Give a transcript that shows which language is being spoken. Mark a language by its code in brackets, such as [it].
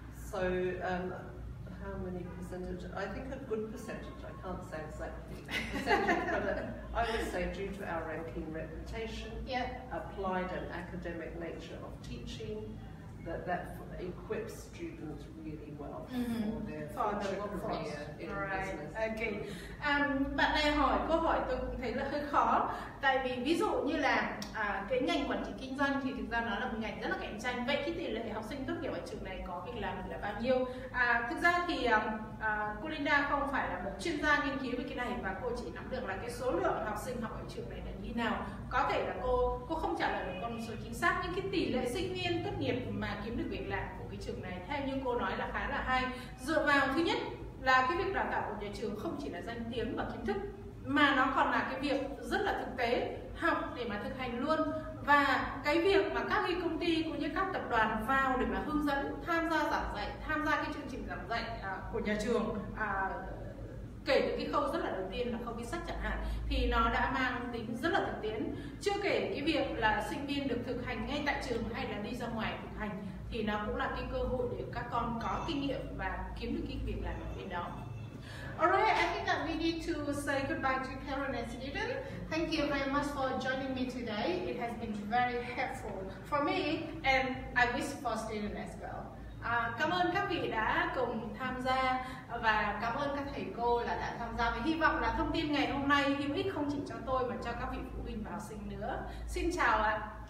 [en] So how many percentage? I think a good percentage, I can't say exactly percentage, but I would say due to our ranking reputation, applied and academic nature of teaching, that equips students really well for their future career in business. [vi] Bạn này hỏi câu hỏi tôi thấy là hơi khó, tại vì ví dụ như là cái ngành quản trị kinh doanh thì thực ra nó là một ngành rất là cạnh tranh. Vậy thì tỷ lệ học sinh tốt nghiệp ở trường này có việc làm là bao nhiêu? Thực ra thì cô Linda không phải là một chuyên gia nghiên cứu về cái này, và cô chỉ nắm được là cái số lượng học sinh học ở trường này là như nào. Có thể là cô không trả lời được con số chính xác, nhưng cái tỷ lệ sinh viên tốt nghiệp mà kiếm được việc làm của cái trường này theo như cô nói là khá là hay. Dựa vào thứ nhất là cái việc đào tạo của nhà trường không chỉ là danh tiếng và kiến thức, mà nó còn là cái việc rất là thực tế, học để mà thực hành luôn. Và cái việc mà các cái công ty cũng như các tập đoàn vào để mà hướng dẫn, tham gia giảng dạy, tham gia cái chương trình giảng dạy của nhà trường, kể từ cái khâu rất là đầu tiên là khâu viết sách chẳng hạn, thì nó đã mang tính rất là thực tiễn. Chưa kể cái việc là sinh viên được thực hành ngay tại trường hay là đi ra ngoài thực hành, thì nó cũng là cái cơ hội để các con có kinh nghiệm và kiếm được cái việc làm ở bên đó. [en] Alright, I think that we need to say goodbye to Karen and Sidon. Thank you very much for joining me today. It has been very helpful for me and I wish for Sidon as well. [vi] Cảm ơn các vị đã cùng tham gia và cảm ơn các thầy cô là đã tham gia. Và hy vọng là thông tin ngày hôm nay hữu ích không chỉ cho tôi mà cho các vị phụ huynh và học sinh nữa. Xin chào ạ.